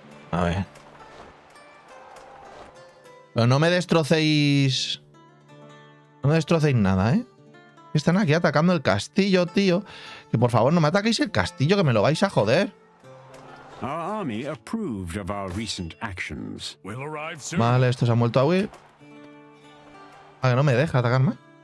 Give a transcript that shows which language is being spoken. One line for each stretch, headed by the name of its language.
Spanish: A ver. Pero no me destrocéis. No me destrocéis nada, ¿eh? Están aquí atacando el castillo, tío. Que por favor no me ataquéis el castillo, que me lo vais a joder.
English: Our army approved of our recent actions. We'll arrive soon.
Spanish: Vale, esto se ha vuelto a huir. Ah, que no me deja atacar más.